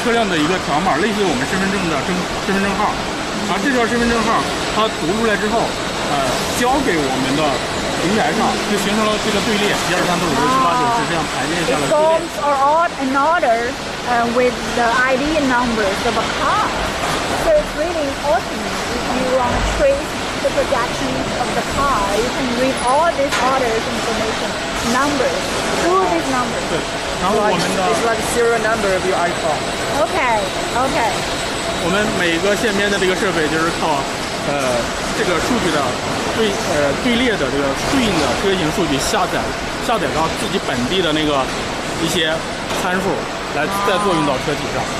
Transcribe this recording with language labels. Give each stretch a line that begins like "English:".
English: It's just a code of the car, like our ID card.
Chinese: 然后这条身份证号它读出来之后交给我们的平台上，就形成了这个队列，一二三四五六七八九十这样排列下来的队列。
English: It goes all in order with the ID numbers of a car. So it's really awesome. If you want to trace the production of the car, you can read all these orders information numbers through these numbers.
Chinese: 对，然后我们的
English: It's like serial number of your iPhone. Okay.
Chinese: 我们每个线边的这个设备就是靠这个数据的队列的这个对应的车型数据下载到自己本地的那个一些参数来再作用到车体上。